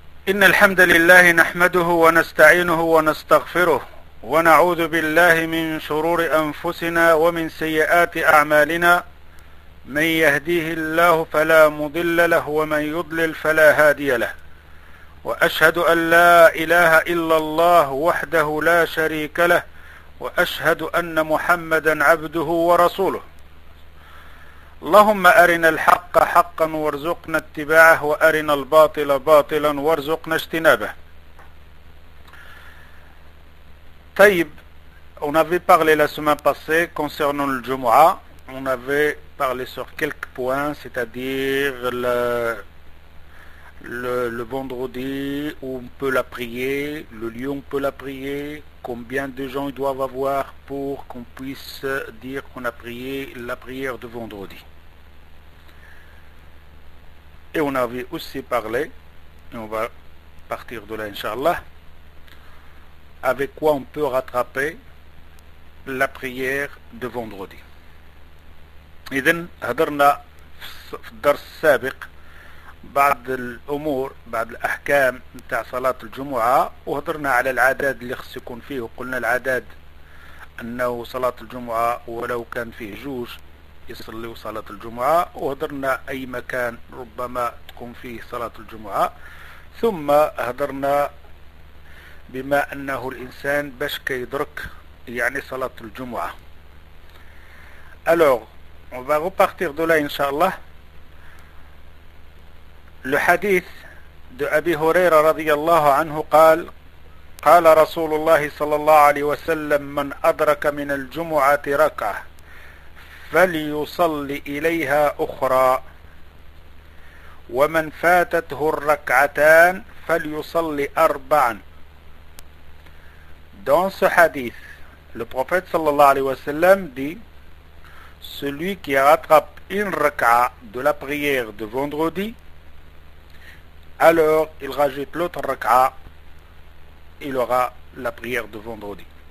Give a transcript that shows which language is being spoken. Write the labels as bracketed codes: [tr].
[ar] إن الحمد لله نحمده ونستعينه ونستغفره ونعوذ بالله من شرور أنفسنا ومن سيئات أعمالنا، من يهديه الله فلا مضل له ومن يضلل فلا هادي له، وأشهد أن لا إله إلا الله وحده لا شريك له، وأشهد أن محمدا عبده ورسوله. اللهم أرنا الحق حقا وارزقنا اتباعه، وأرنا الباطل باطلا وارزقنا اجتنابه. [fr] طيب، on avait parlé la semaine passée concernant le Jumu'a. On avait parlé sur quelques points, c'est-à-dire le vendredi où on peut la prier, le lieu où on peut la prier, combien de gens ils doivent avoir pour qu'on puisse dire qu'on a prié la prière de vendredi. Et on avait aussi parlé, et on va partir de là, Inch'Allah, avec quoi on peut rattraper la prière de vendredi. [ar] إذن هدرنا في الدرس السابق بعض الأمور، بعض الأحكام نتاع صلاة الجمعة، وهدرنا على العدد اللي خص يكون فيه، وقلنا العدد أنه صلاة الجمعة ولو كان فيه جوج يصلي صلاة الجمعة، وهدرنا أي مكان ربما تكون فيه صلاة الجمعة، ثم هدرنا بما أنه الإنسان باش كيدرك يعني صلاة الجمعة. [fr] Alors, on va repartir de là, Inch'Allah. Le hadith de Abi Huraira [ar] radiyallahu anhu قال قال رسول الله صلى الله عليه وسلم من أدرك من الجمعة ركعة فليصلي إليها أخرى ومن فاتته الركعتان فليصلي أربعا. [fr] Dans ce hadith, le prophète [ar] صلى الله عليه وسلم [fr] dit: celui qui rattrape une raka'a de la prière de vendredi, alors il rajoute l'autre raka'a, il aura la prière de vendredi.